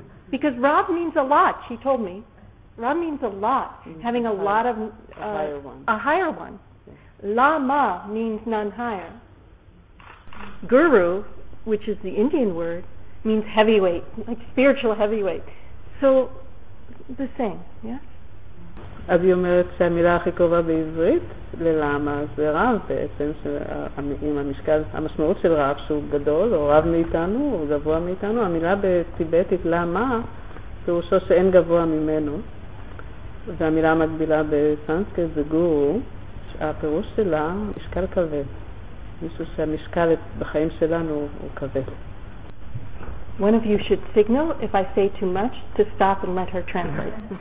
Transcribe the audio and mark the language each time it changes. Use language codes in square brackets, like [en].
[en] Because Rav means a lot, she told me. Rav means a lot, having a lot of... A higher one. Lama means none higher. Guru, which is the Indian word, means heavyweight, like spiritual heavyweight. So, the same, yeah? [he] אז היא אומרת שהמילה הכי קרובה בעברית ללמה זה רב בעצם, עם המשקל, המשמעות של רב שהוא גדול או רב מאיתנו או גבוה מאיתנו, המילה בטיבטית למה פירושו שאין גבוה ממנו, והמילה המקבילה בסנסקריט זה גורו, הפירוש שלה משקל כבד, מישהו שהמשקל בחיים שלנו הוא כבד. [en] One of you should signal if I say too much to stop and let her translate.